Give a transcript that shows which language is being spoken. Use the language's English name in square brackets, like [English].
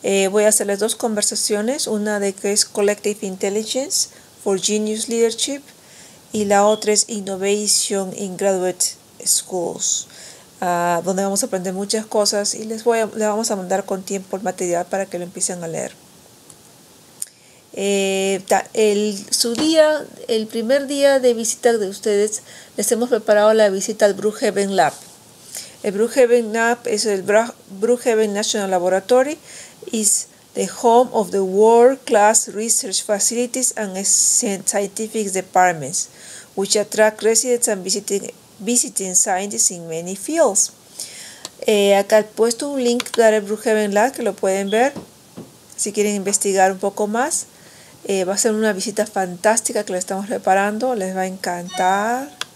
[Spanish] Voy a hacerles 2 conversaciones, una de que es Collective Intelligence for Genius Leadership y la otra es Innovation in Graduate Schools, donde vamos a aprender muchas cosas y les vamos a mandar con tiempo el material para que lo empiecen a leer. El primer día de visita de ustedes, les hemos preparado la visita al Brookhaven Lab. El Brookhaven Lab es el [English] Brookhaven National Laboratory, is the home of the world class research facilities and scientific departments, which attract residents and visiting scientists in many fields. [Spanish] Acá he puesto un link para el Brookhaven Lab que lo pueden ver si quieren investigar un poco más. Va a ser una visita fantástica que le estamos preparando, les va a encantar.